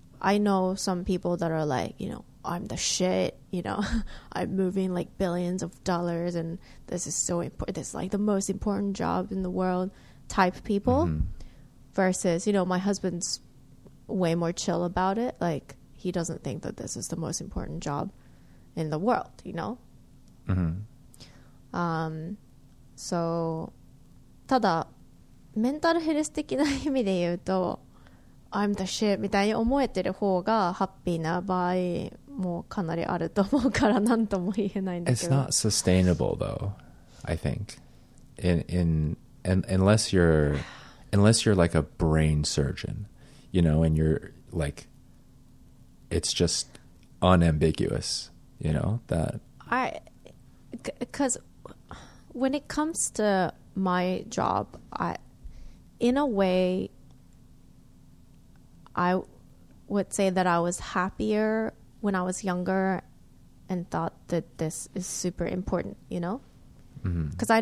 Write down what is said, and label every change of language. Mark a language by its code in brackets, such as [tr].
[en] I know some people that are like, you know, I'm the shit, you know, I'm moving like billions of dollars and this is so important, this is like the most important job in the world type people、mm-hmm. versus, you know, my husband's way more chill about it, like he doesn't think that this is the most important job in the world, you know? Mm-hmm. [ja] So, ただ、メンタルヘルス的な意味で言うと、 [en] I'm the shit [ja] みたいに思えてる方がハッピーな場合もかなりあると思うから、なんとも言えないんだけど。 [en] It's not sustainable though, I think. Unless you're like a brain surgeon, you know, and you're like, it's just unambiguous, you know, that I, because when it comes to my job, I, in a way, I would say that I was happier when I was younger and thought that this is super important, you know, because